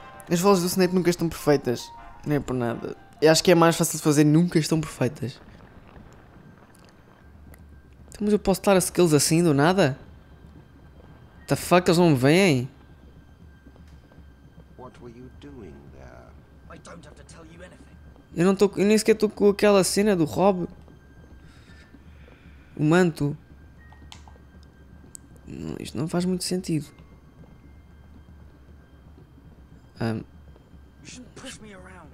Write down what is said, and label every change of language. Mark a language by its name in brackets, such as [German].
[Portuguese] As vozes do Snape nunca estão perfeitas. Nem por nada. Eu acho que é mais fácil de fazer. Nunca estão perfeitas. Mas eu posso estar a skills assim do nada? [English] The fuck, [Portuguese] eles não me veem? [English] What were you doing there? I don't have to tell you anything. [Portuguese] Eu nem sequer estou com aquela cena do Rob. O manto. Isto não faz muito sentido. [English] You shouldn't push me around.